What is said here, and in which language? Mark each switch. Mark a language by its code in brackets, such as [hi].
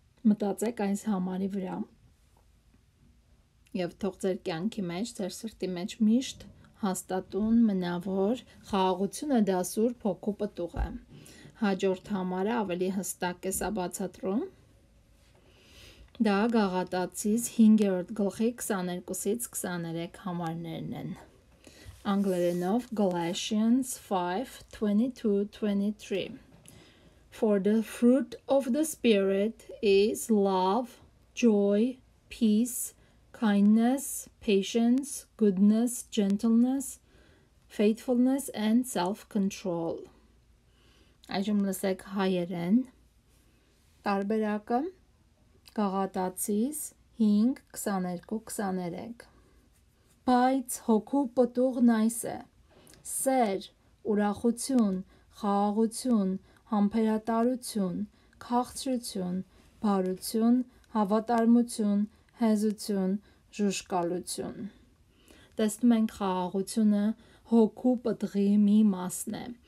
[hy] Մտածեք այս համարի վրա եւ թող ձեր կյանքի մեջ, ձեր սրտի մեջ միշտ հաստատուն մնա, որ խաղաղությունը դա Սուրբ Հոգու պտուղ է։ Հաջորդ համարը ավելի հստակ է սա բացատրում։ Դա Գաղատացիս 5-րդ գլխի 22-23 համարներն են։ Անգլերենով Galatians 5:22-23. [en] For the fruit of the Spirit is love, joy, peace, kindness, patience, goodness, gentleness, faithfulness and self-control. [hy] Այժմ լսեք հայերեն տարբերակը Գաղատացիս 5:22-23. Բայց հոգու պտուղն այս է. սեր, ուրախություն, խաղաղություն, համբերատարություն, քաղցրություն, բարություն, հավատարմություն, հեզություն, ժուշկալություն։ Տեսնում ենք, խաղաղությունը հոգու պտղի մի մասն է։